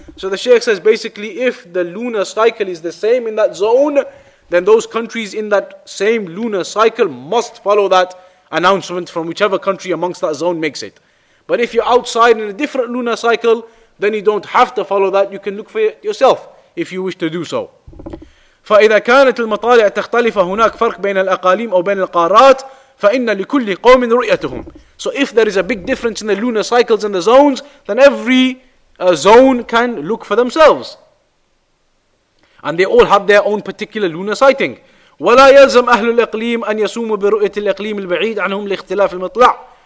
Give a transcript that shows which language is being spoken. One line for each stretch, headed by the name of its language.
English: So the Shaykh says, basically, if the lunar cycle is the same in that zone, then those countries in that same lunar cycle must follow that announcement from whichever country amongst that zone makes it. But if you're outside in a different lunar cycle, then you don't have to follow that. You can look for it yourself if you wish to do so.
Arabic: فإذا كانت المطالع تختلف هناك فرق بين الأقاليم أو بين القارات فإن لكل قوم رؤيتهم.
English: So if there is a big difference in the lunar cycles and the zones, then every zone can look for themselves. And they all have their own particular lunar sighting.
Arabic: ولا يلزم أهل الإقليم أن يصوموا برؤية الإقليم البعيد عنهم لاختلاف المطلع.